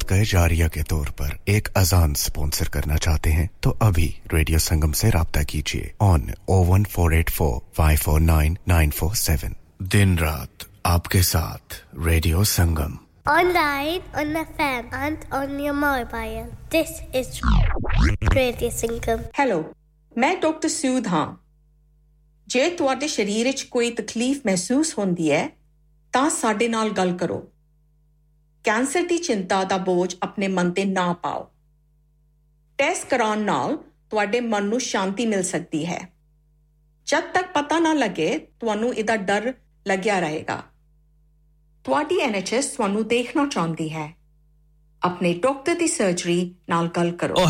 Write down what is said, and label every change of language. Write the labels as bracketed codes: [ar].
[ur] جاریہ کے طور پر ایک اذان سپونسر کرنا چاہتے ہیں تو ابھی ریڈیو سنگم سے رابطہ کیجئے on 01484549947 دن رات آپ کے ساتھ radio Sangam [en] online on the fan and on your mobile this is radio Sangam [pa] hello میں ڈاکٹر سیود ہاں جے تواڈے شریر وچ کوئی تکلیف محسوس ہوندی ہے تاں ساڈے نال گل کرو ਕੈਂਸਰ ਦੀ ਚਿੰਤਾ ਦਾ ਬੋਝ ਆਪਣੇ ਮਨ ਤੇ ਨਾ ਪਾਓ ਟੈਸਟ ਕਰਾਉਣ ਨਾਲ ਤੁਹਾਡੇ ਮਨ ਨੂੰ ਸ਼ਾਂਤੀ ਮਿਲ ਸਕਦੀ ਹੈ ਜਦ ਤੱਕ ਪਤਾ ਨਾ ਲੱਗੇ ਤੁਹਾਨੂੰ ਇਹਦਾ ਡਰ ਲੱਗਿਆ ਰਹੇਗਾ ਤੁਹਾਡੀ ਐਨਐਚਐਸ ਤੁਹਾਨੂੰ ਦੇਖਣਾ ਚਾਹੁੰਦੀ ਹੈ ਆਪਣੇ ਡਾਕਟਰ ਦੀ ਸਰਜਰੀ ਨਾਲ ਗੱਲ ਕਰੋ